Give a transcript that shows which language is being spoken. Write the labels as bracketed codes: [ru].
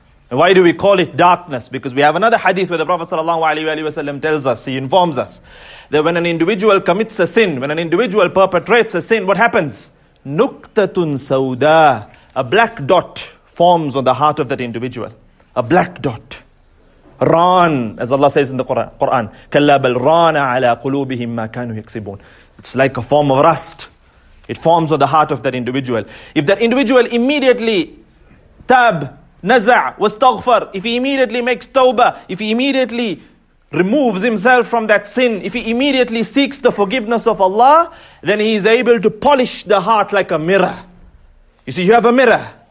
[en] Why do we call it darkness? Because we have another hadith where the Prophet ﷺ tells us, he informs us, that when an individual commits a sin, when an individual perpetrates a sin, what happens? [ar] نُكْتَةٌ سَوْدَى, [en] a black dot forms on the heart of that individual. A black dot. Ran, as Allah says in the Quran, [ar] كَلَّا بَلْ رَانَ عَلَىٰ قُلُوبِهِمْ مَا كَانُوا يَكْسِبُونَ. [en] It's like a form of rust. It forms on the heart of that individual. If that individual immediately tab, Naza' wastaghfar. If he immediately makes tawbah, if he immediately removes himself from that sin, if he immediately seeks the forgiveness of Allah, then he is able to polish the heart like a mirror. You see, you have a mirror.